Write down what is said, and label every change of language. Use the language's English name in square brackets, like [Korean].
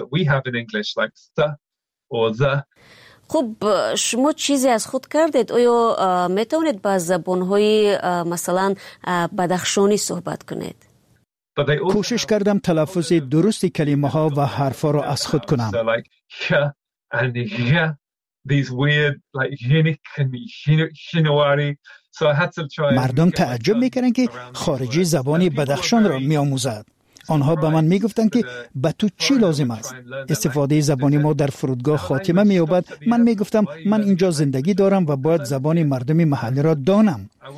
[English] Have in English like the or the. [Persian] خب شما چیزی از خود کردید؟ آیا میتونید با زبانهای مثلا بدخشانی صحبت کنید؟ کوشش کردم تلفظ درست کلمه ها و حرف ها را از خود کنم. [English] So like yeah and yeah these weird like hinik and hinawari. So I had to try. [Persian] مردم تعجب میکنن که خارجی زبان بدخشان را میآموزد. آنها به من میگفتند که به تو چی لازم است؟ استفاده زبانی ما در فرودگاه خاتمه می‌یابد. من میگفتم من اینجا زندگی دارم و باید زبان مردم محلی را دانم.